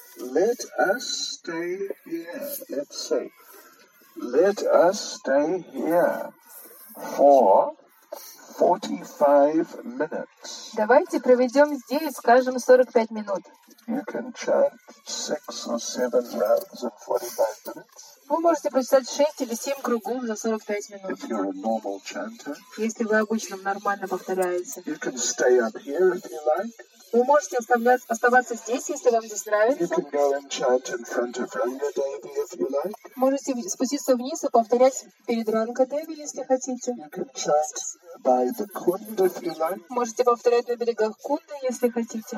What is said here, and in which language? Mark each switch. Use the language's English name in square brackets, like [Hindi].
[English] Let us stay here. Let's say, let us stay here for 45 minutes. [Russian] Давайте проведем здесь, скажем, 45 минут. [English] You can chant 6 or 7 rounds in 45 minutes. [Russian] Вы можете прочитать 6 или 7 кругов за 45 минут. [English] If you're a normal chanter. [Russian] Если вы обычно нормально повторяете. [English] You can stay up here if you like. [Russian] Вы можете оставаться здесь, если вам здесь нравится. [English] You can go and chant in front of Ranga Devi if you like. [Russian] Можете спуститься вниз и повторять перед Ранга Деви, если хотите. [English] You can chant by the Kund if you like. [Russian] Можете повторять на берегах Кунда, если хотите.